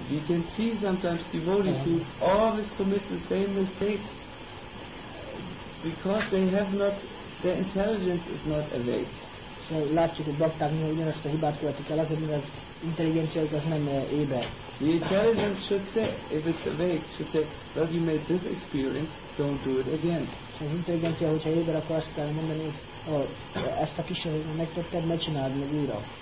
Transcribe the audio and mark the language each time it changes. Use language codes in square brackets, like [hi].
[en] You can see sometimes devotees who always commit the same mistakes. Because they have not, their intelligence is not awake. [hu] látjuk, hogy bakták néha ugyanazt a hibát követik el, azért mivel intelligencia az nem éber. [en] The intelligent should say, if it's awake, should say, well, you made this experience, don't do it again. [hu] So, az intelligencia, hogyha éber, akkor azt kell mondani, hogy ezt a kísérletet megtetted, ne csináld meg újra.